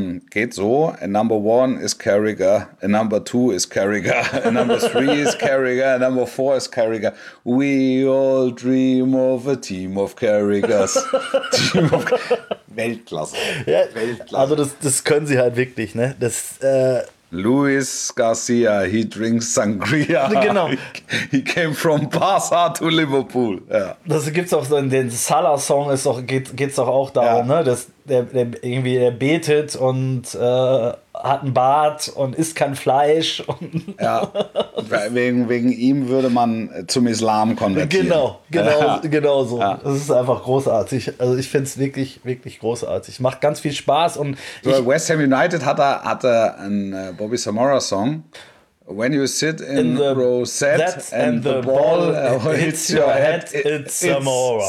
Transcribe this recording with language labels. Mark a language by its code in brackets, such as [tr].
[de] Geht so: [en] A number one is Carragher, a number two is Carragher, a number three is Carragher, a number four is Carragher. We all dream of a team of Carraghers. [de] Weltklasse. Ja, Weltklasse. Also das können sie halt wirklich, ne? [en] Luis Garcia, he drinks sangria. [de] Genau. [en] He came from Barca to Liverpool. Yeah. [de] Das gibt's auch so in den Salah-Song, geht's doch auch darum, ne? Dass der irgendwie, der betet und hat einen Bart und isst kein Fleisch. Und wegen ihm würde man zum Islam konvertieren. Genau so. Ja. Das ist einfach großartig. Also ich finde es wirklich, wirklich großartig. Macht ganz viel Spaß. Und West Ham United hatte einen Bobby Samora-Song. [en] When you sit in the Rosette and the ball hits your head, it's Zamora.